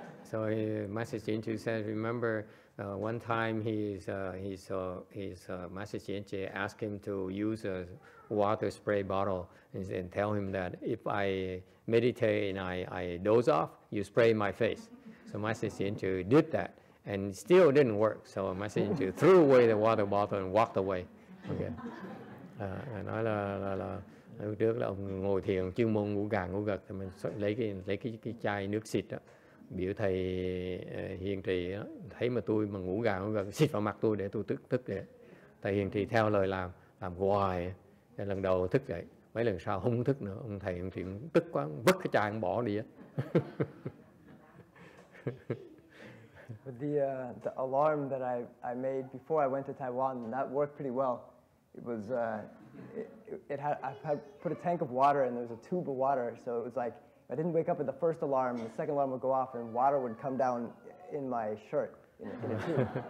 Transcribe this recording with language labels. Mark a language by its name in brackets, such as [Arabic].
[English] So Master Jinchu says, remember one time Master Jinchu asked him to use a water spray bottle and tell him that if I meditate and I doze off, you spray my face. So Master Jinchu did that and still didn't work. So Master Jinchu threw away the water bottle and walked away. Okay. [Vietnamese] Nói là trước là ông ngồi thiền chuyên môn ngủ gà ngủ gật thì mình lấy cái chai nước xịt đó. Biểu thầy Hiền Trì thấy mà tôi mà ngủ gà ngủ gật xịt vào mặt tôi để tôi tức để thầy Hiền Trì theo lời làm hoài, lần đầu thức dậy, mấy lần sau không thức nữa, ông thầy Hiền Trì tức quá vứt cái chai ông bỏ đi á. [English] the alarm that I made before I went to Taiwan, that worked pretty well. It was I had put a tank of water and there was a tube of water, so it was like I didn't wake up at the first alarm, the second alarm would go off and water would come down in my shirt, in a tube.